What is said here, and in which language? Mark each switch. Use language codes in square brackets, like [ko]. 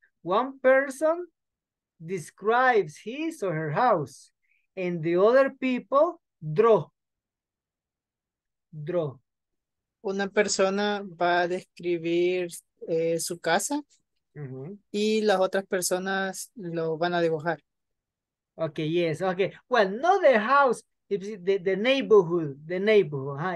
[en] One person describes his or her house and the other people draw. Draw. [es] Una persona va a describir su casa y las otras personas lo van a dibujar. [en] Okay, yes. Okay. Well, not the house, it's the neighborhood, the neighborhood.